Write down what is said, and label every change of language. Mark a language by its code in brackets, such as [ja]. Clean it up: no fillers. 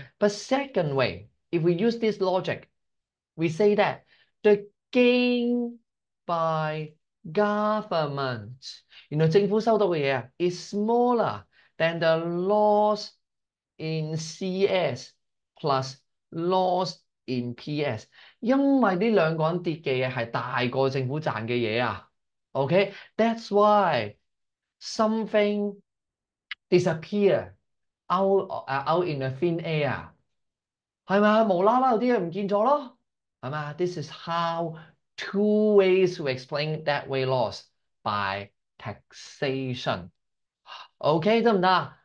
[en] But second way, if we use this logic, we say that the gain by government, you know, [zh] 政府收到的东西, [en] is smaller than the loss in CS plus loss in PS. [zh] 因为这两个人跌的东西是大过政府赚的东西啊. [en] Okay, that's why something disappear out in the thin air. [zh] 是吗?无啦啦有些东西不见了咯. [en] This is how two ways to explain that weight loss by taxation. Okay, [zh] 行不行?